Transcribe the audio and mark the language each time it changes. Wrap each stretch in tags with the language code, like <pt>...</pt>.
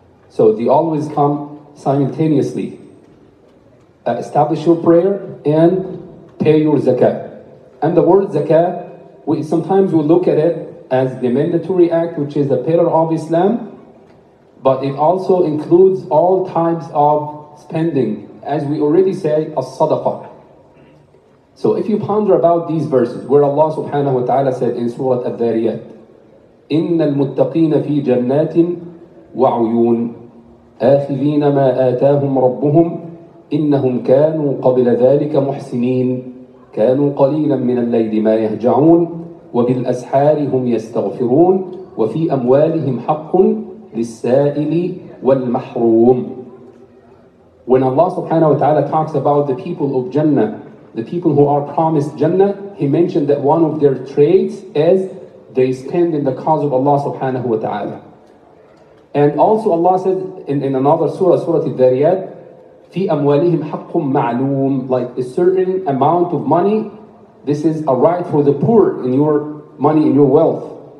<en>So they always come simultaneously. Establish your prayer and pay your zakah. And the word zakah, we sometimes look at it as the mandatory act, which is the pillar of Islam, but it also includes all types of spending, as we already say, as-sadaqah. So if you ponder about these verses, where Allah subhanahu wa ta'ala said in Surah Al-Dhariyat,</en> <ar>إِنَّ الْمُتَّقِينَ فِي جَنَّاتٍ وَعُيُونَ آخِذِينَ مَا آتَاهُمْ رَبُّهُمْ إِنَّهُمْ كَانُوا قَبْلَ ذَلِكَ مُحْسِنِينَ كَانُوا قَلِيلًا مِنَ اللَّيْلِ مَا يَهْجَعُونَ وَبِالْأَسْحَارِ هُمْ يَسْتَغْفِرُونَ وَفِي أَمْوَالِهِمْ حَقٌّ لِلسَّائِلِ وَالْمَحْرُومِ.</ar> <en>When Allah subhanahu wa ta'ala talks about the people of Jannah, the people who are promised Jannah, He mentioned that one of their traits is they spend in the cause of Allah subhanahu wa ta'ala. And also Allah said in another surah, Surah Al-Dhariyat,</en> <ar>في أموالهم حق معلوم,</ar> <en>like a certain amount of money, this is a right for the poor in your money, in your wealth.</en>